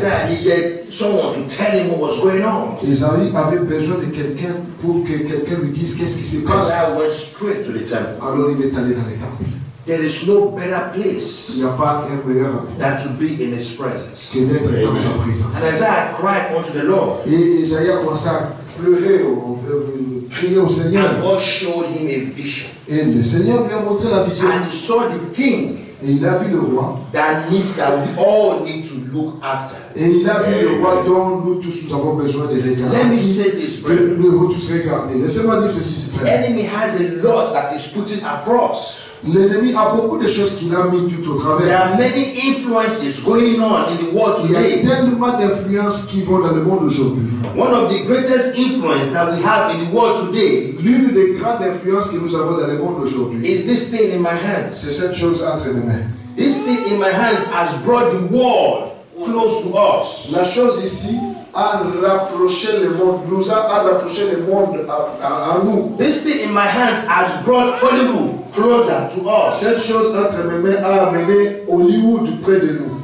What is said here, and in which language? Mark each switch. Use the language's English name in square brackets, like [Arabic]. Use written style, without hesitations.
[English] Isaiah needed someone to tell him what was going on. [French] Isaïe avait besoin de quelqu'un pour que quelqu'un lui dise qu'est-ce qui se passe. [English] Isaiah went straight to the temple. [French] Alors il est allé dans le temple. [English] There is no better place than to be in his presence. [French] Que d'être dans sa présence. [English] And Isaiah cried unto the Lord. [French] Et Isaïe a commencé à pleurer, crier au Seigneur. [English] And God showed him a vision. [French] Et le Seigneur lui a montré la vision. [English] And he saw the king. [French] Et il a vu le roi. [English] That we all need to look after. [French] Et il a vu le roi dont nous tous nous avons besoin de regarder. [English] Let me say this, [French] brother. Nous tous regarder. Laissez-moi dire ceci, frère. [English] Enemy has a lot that is putting across. [French] L'ennemi a beaucoup de choses qu'il a mis tout au travers. [English] There are many influences going on in the world today. [French] Il y a tellement d'influences qui vont dans le monde aujourd'hui. [English] One of the greatest influences that we have in the world today. [French] L'une des grandes influences que nous avons dans le monde aujourd'hui. [English] Is this thing in my hands? [French] C'est cette chose entre mes mains. [English] This thing in my hands has brought the world close to us. [French] La chose ici a rapproché le monde, nous a rapproché le monde à nous. [English] This thing in my hands has brought Hollywood closer to us. [French] Cette chose entre mes mains a amené Hollywood près de nous.